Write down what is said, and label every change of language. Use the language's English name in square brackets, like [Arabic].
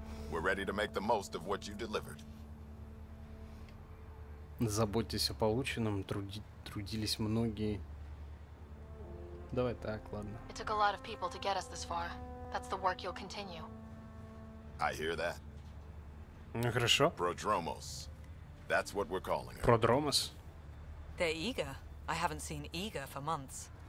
[English] We're ready to make the most of what you delivered. [Russian] Заботьтесь о полученном, трудились многие. Давай так, ладно. [English] It took a lot of people to get us this far. That's the work you'll continue. I hear that. [Russian] Ну хорошо. [English] Prodromos. That's what we're calling her. Prodromos. They're eager. I haven't seen eager for months.